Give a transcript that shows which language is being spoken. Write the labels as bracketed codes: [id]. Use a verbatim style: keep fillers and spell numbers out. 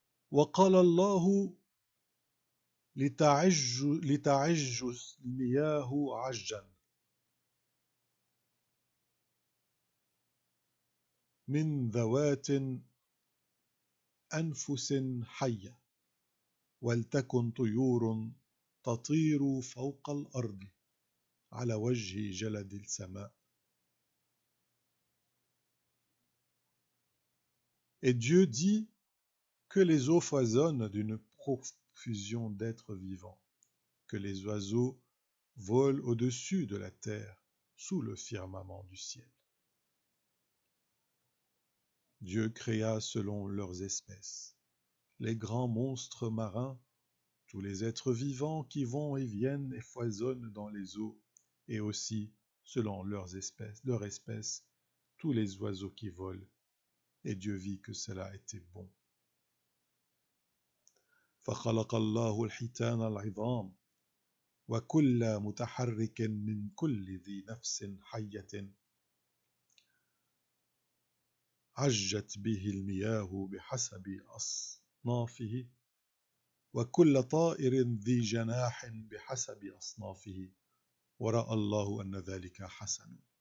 [ar] وَقَالَ اللَّهُ لِتَعِجُّ لِتَعِجُّ الْمِيَاهُ عَجًّا من ذوات أنفس حية، ولتكن طيور تطير فوق الأرض على وجه جلد السماء. [fr] Et Dieu dit que les eaux foisonnent d'une profusion d'êtres vivants, que les oiseaux volent au-dessus de la terre, sous le firmament du ciel. Dieu créa selon leurs espèces les grands monstres marins, tous les êtres vivants qui vont et viennent et foisonnent dans les eaux, et aussi, selon leurs espèces, leur espèce, tous les oiseaux qui volent. Et Dieu vit que cela était bon. [ar] فخلق الله الحيتان العظام وكل متحرك من كل ذي نفس حية عجت به المياه بحسب أصنافه، وكل طائر ذي جناح بحسب أصنافه، ورأى الله أن ذلك حسن.